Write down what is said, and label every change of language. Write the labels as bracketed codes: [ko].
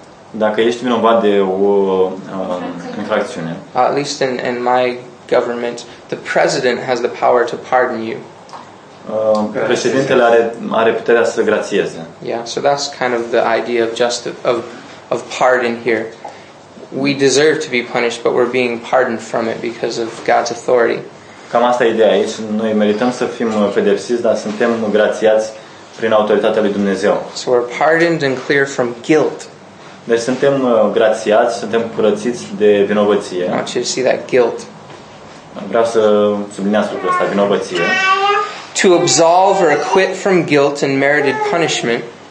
[ro] dacă ești vinovat de o infracțiune, [en] at least in my government, the president has the power to pardon you. [ro] Președintele are puterea să grațieze. [en] Yeah, so that's kind of the idea of justification of pardon here. We deserve to be punished, but we're being pardoned from it because of God's authority. [ro] Cam asta e ideea aici. Noi merităm să fim pedepsiți, dar suntem grațiați prin autoritatea lui Dumnezeu. [en] So we're pardoned and clear from guilt. [ro] Deci suntem grațiați, suntem curățiți de vinovăție. [en] I want you to see that guilt. [ro] Vreau să subliniați lucrul ăsta, vinovăție. [en] To absolve or acquit from guilt and merited punishment.